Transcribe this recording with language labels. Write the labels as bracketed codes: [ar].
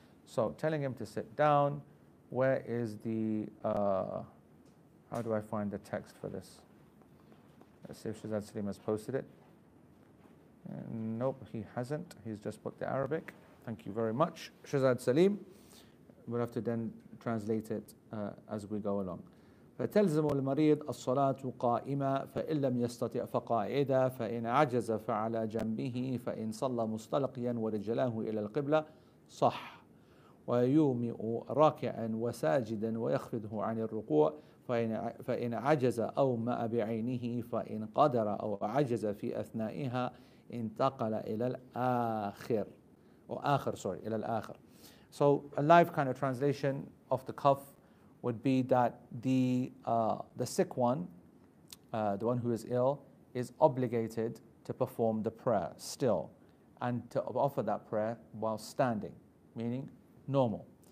[en] So telling him to sit down, where is the, how do I find the text for this? Let's see if Shazad Salim has posted it. Nope, he hasn't. He's just put the Arabic. Thank you very much, Shazad Salim. we'll have to then translate it as we go along. [ar] فتلزم المريض الصلاة قائمة فإن لم يستطع فقاعدة فإن عجز فعلى جنبه فإن صلى مستلقيا ورجلاه إلى القبلة صح ويومئ راكعا وساجدا ويخفضه عن الركوع فإن عجز أو ما بعينه فإن قدر أو عجز في أثنائها انتقل إلى الآخر أو آخر [en] sorry [ar] إلى الآخر. [en] So a live kind of translation of the cuff would be that the sick one, the one who is ill, is obligated to perform the prayer still and to offer that prayer while standing, meaning normal.